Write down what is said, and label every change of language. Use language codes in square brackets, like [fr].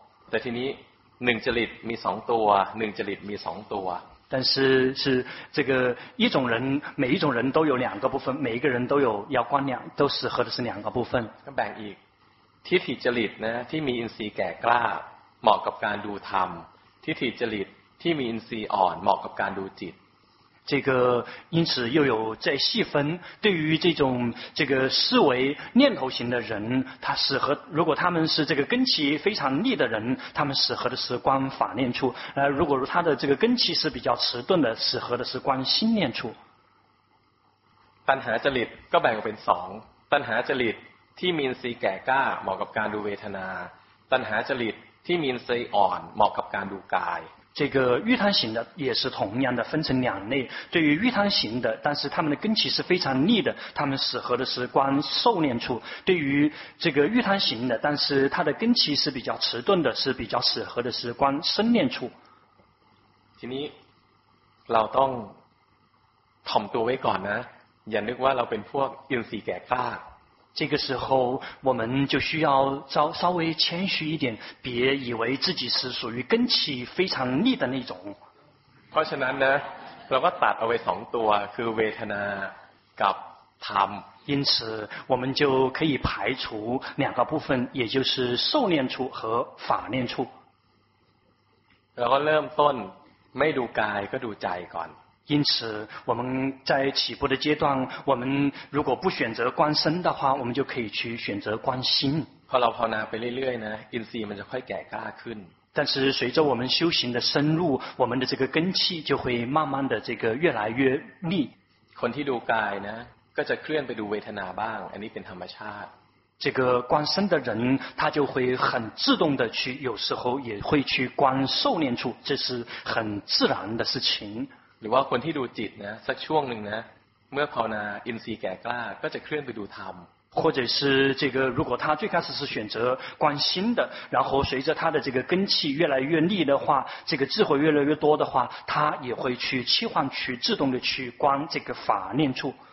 [th] แต่ทีนี้หนึ่งจริตมีสองตัวหนึ่งจริตมีสองตัว [zh] 但是是这个一种人每一种人都有两个部分每一个人都有要观两都适合的是两个部分 [th] ก็แบ่งอีกทิฏฐิจริตนะที่มีอินทรีย์แก่กล้าเหมาะกับการดูธรรมทิฏฐิจริตที่มีอินทรีย์อ่อนเหมาะกับการดูจิต [zh] 这个因此又有在细分对于这种这个思维念头型的人他适合如果他们是这个根气非常利的人他们适合的是观法念处如果他的这个根气是比较迟钝的适合的是观心念处 [th] ตัณหาจริตก็แบ่งออกเป็นสองตัณหาจริตที่มีอินทรีย์แก่กล้าเหมาะกับการดูเวทนาตัณหาจริตที่มีอินทรีย์อ่อนเหมาะกับการดูกาย [zh] 这个欲贪型的也是同样的分成两类对于欲贪型的但是他们的根器是非常利的他们适合的是观受念处对于这个欲贪型的但是它的根器是比较迟钝的是比较适合的是观身念处 [th] ทีนี้เราต้องถ่อมตัวไว้ก่อนนะอย่านึกว่าเราเป็นพวกอินทรีย์แก่กล้า [zh] 这个时候我们就需要稍微谦虚一点别以为自己是属于根器非常利的那种 [th] เพราะฉะนั้นนะเราก็ตัดเอาไว้สองตัวคือเวทนากับธรรม [zh] 因此我们就可以排除两个部分也就是受念处和法念处 [th] เราก็เริ่มต้นไม่ดูกายก็ดูใจก่อน [zh] 因此我们在起步的阶段我们如果不选择观身的话我们就可以去选择观心 [th] พอเราภาวนาไปเรื่อยๆนะอินทรีย์มันจะค่อยแก่กล้าขึ้น [zh] 但是随着我们修行的深入我们的这个根器就会慢慢的这个越来越利 [th] คนที่ดูกายนะก็จะเคลื่อนไปดูเวทนาบ้างอันนี้เป็นธรรมชาติ [zh] 这个观身的人他就会很自动的去有时候也会去观受念处这是很自然的事情 [th] หรือว่าคนที่ดูจิตนะสักช่วงหนึ่งนะเมื่อภาวนาอินทรีย์แก่กล้าก็จะเคลื่อนไปดูธรรม [zh] 或者是这个如果他最开始是选择观心的然后随着他的这个根器越来越利的话这个智慧越来越多的话他也会去切换去自动的去观这个法念处